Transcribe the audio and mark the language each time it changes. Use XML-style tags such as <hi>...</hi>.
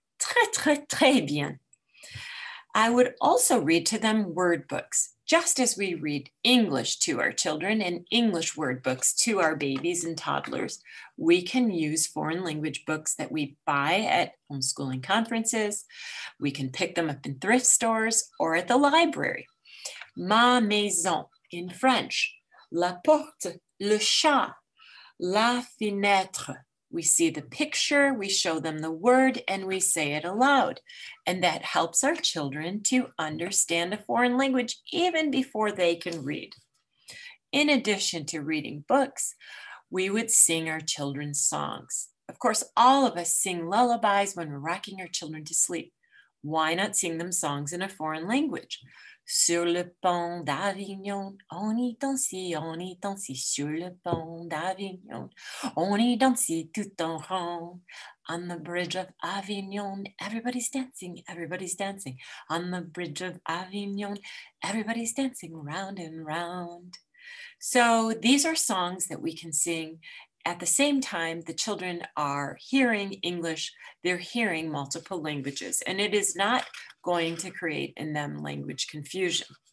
<fr>Très, très, très bien."</fr> <en>I would also read to them word books, just as we read English to our children and English word books to our babies and toddlers. We can use foreign language books that we buy at homeschooling conferences. We can pick them up in thrift stores or at the library.</en> <fr>Ma maison</fr> <en>in French,</en> <fr>la porte, le chat, la fenêtre.</fr> <en>We see the picture, we show them the word, and we say it aloud. And that helps our children to understand a foreign language even before they can read. In addition to reading books, we would sing our children's songs. Of course, all of us sing lullabies when we're rocking our children to sleep. Why not sing them songs in a foreign language?</en> <fr>Sur le pont d'Avignon, on y danse, sur le pont d'Avignon, on y danse tout en rond.</fr> <en>On the bridge of Avignon, everybody's dancing, everybody's dancing. On the bridge of Avignon, everybody's dancing round and round. So these are songs that we can sing at the same time the children are hearing English, they're hearing multiple languages, and it is not going to create in them language confusion.</en>